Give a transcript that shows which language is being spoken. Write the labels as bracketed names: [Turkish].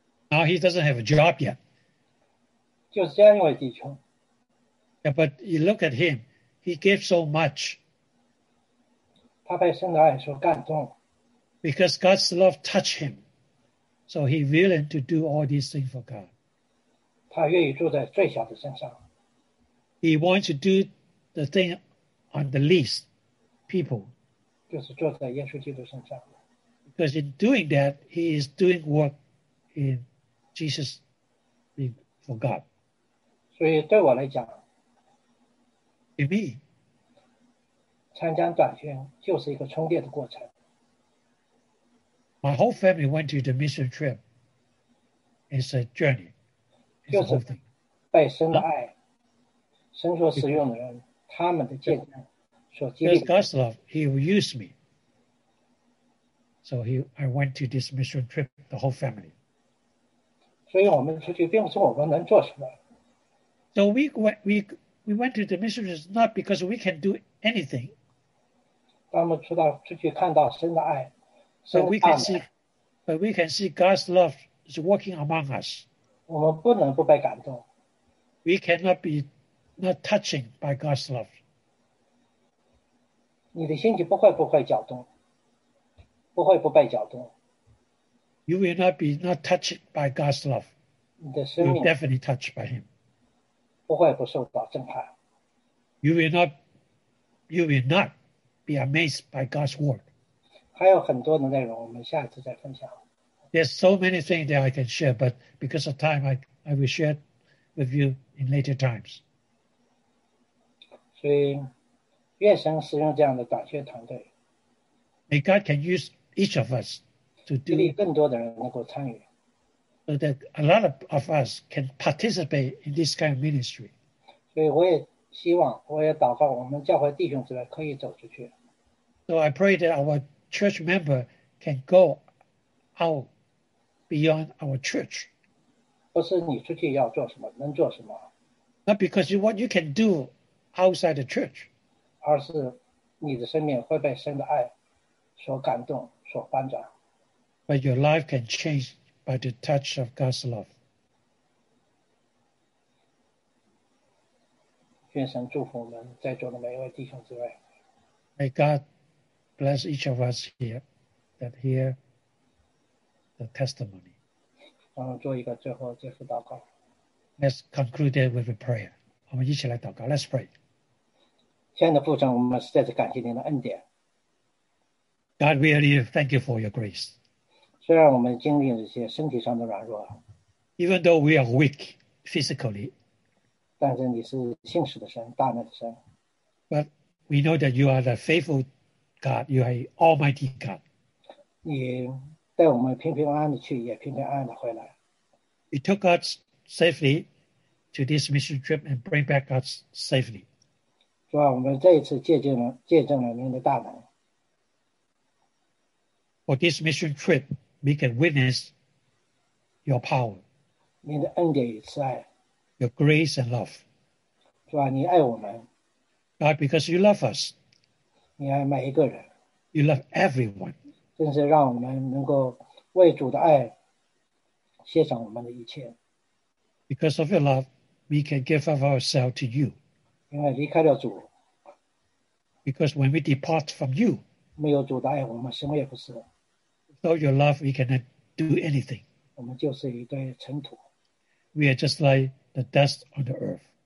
[English] Now he doesn't have a job yet. [Chinese] 就是这样一位弟兄。 [English] Yeah, but you look at him, he gave so much. [Chinese] 他被神的爱所感动。 [English] Because God's love touched him, so he willing to do all these things for God. [Chinese] 他愿意住在最小的身上。 [English] He wants to do the thing on the least people. [Chinese] 就是住在耶稣基督身上。 [English] Because in doing that, he is doing work in Jesus for God. [Chinese] 所以对我来讲 [English] to me, [Chinese] 参加短学就是一个充电的过程。 [English] My whole family went to the mission trip. It's a journey. It's [Chinese] 就是被神的爱、神所使用的人、他们的见证所激励。 [English] Because God's love, He will use me. So I went to this mission trip, the whole family. [Chinese] 所以我们出去并不是我们能做什么。 [English] So we went to the mission trip not because we can do anything. [Chinese] 当我们出去看到神的爱，神的大能。 [English] But we can see God's love is working among us. [Chinese] 我们不能不被感动。 [English] We cannot be not touching by God's love. [Chinese] 你的心情不会搅动，不会不被搅动。 [English] You will not be not touched by God's love. [Chinese] 你的生命 [English] You're definitely touched by Him. [Chinese] 不会不受到震撼。 [English] You will not. Be amazed by God's word. [Chinese] 还有很多的内容，我们下一次再分享。 [English] There's so many things that I can share, but because of time, I will share it with you in later times. [Chinese] 所以，愿神使用这样的短宣团队。 [English] May God can use each of us to do. [Chinese] 激励更多的人能够参与。 [English] So that a lot of us can participate in this kind of ministry. [Chinese] 所以我也。希望我也祷告我们教会弟兄姊妹可以走出去。 [English] So I pray that our church member can go out beyond our church. [Chinese] 不是你出去要做什么，能做什么。 [English] Not because of what you can do outside the church. [Chinese] 而是你的生命会被神的爱所感动，所翻转。 [English] But your life can change by the touch of God's love. [Chinese] 愿神祝福我们在座的每一位弟兄姊妹。 [English] May God bless each of us here that hear the testimony. [Chinese] 让我做一个最后结束祷告。 [English] Let's conclude it with a prayer. [Chinese] 我们一起来祷告。 [English] Let's pray. [Chinese] 亲爱的父神，我们实在是感谢您的恩典。 [English] God, we really thank you for your grace. [Chinese] 虽然我们经历了一些身体上的软弱。 [English] Even though we are weak physically. [Chinese] 但是你是信实的神，大能的神。 [English] But we know that you are the faithful God. You are almighty God. [Chinese] 你带我们平平安安的去，也平平安安的回来。 [English] You took us safely to this mission trip and bring back us safely. [Chinese] 主啊，我们这一次见证了您的大能。 [English] For this mission trip, we can witness your power. [Chinese] 您的恩典与慈爱。 [English] Your grace and love. [Chinese] 主啊，你爱我们。 [English] God, because you love us. [Chinese] 你爱每一个人。 [English] You love everyone. [Chinese] 真是让我们能够为主的爱献上我们的一切。 [English] Because of your love, we can give of ourselves to you. [Chinese] 因为离开了主。 [English] Because when we depart from you, [Chinese] 没有主的爱，我们什么也不是。 [English] Without your love, we cannot do anything. [Chinese] 我们就是一堆尘土。 [English] We are just like the dust on the earth.